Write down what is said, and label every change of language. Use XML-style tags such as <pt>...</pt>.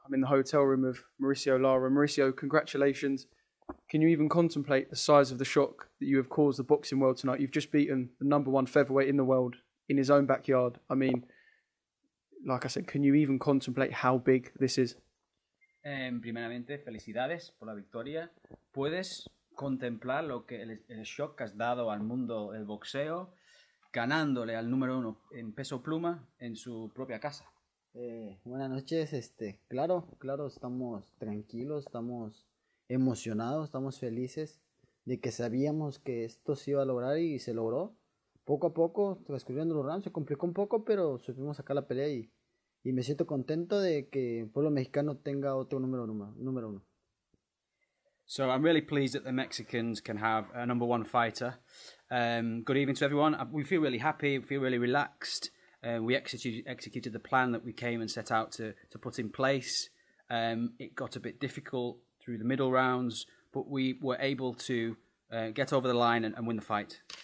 <en>I'm in the hotel room of Mauricio Lara. Mauricio, congratulations. Can you even contemplate the size of the shock that you have caused the boxing world tonight? You've just beaten the number one featherweight in the world in his own backyard. I mean, like I said, can you even contemplate how big this is?</en> <es>Primeramente, felicidades por la victoria. ¿Puedes contemplar lo que el shock que has dado al mundo del boxeo? Ganándole al número uno en peso pluma en su propia casa. Buenas noches, claro, estamos tranquilos, estamos emocionados, estamos felices de que sabíamos que esto se iba a lograr y se logró. Poco a poco, transcurriendo los rounds, se complicó un poco, pero supimos sacar la pelea y me siento contento de que el pueblo mexicano tenga otro número uno.</es> <en>So I'm really pleased that the Mexicans can have a number one fighter. Good evening to everyone. We feel really happy. We feel really relaxed. We executed the plan that we came and set out to put in place. It got a bit difficult through the middle rounds, but we were able to get over the line and win the fight.</en>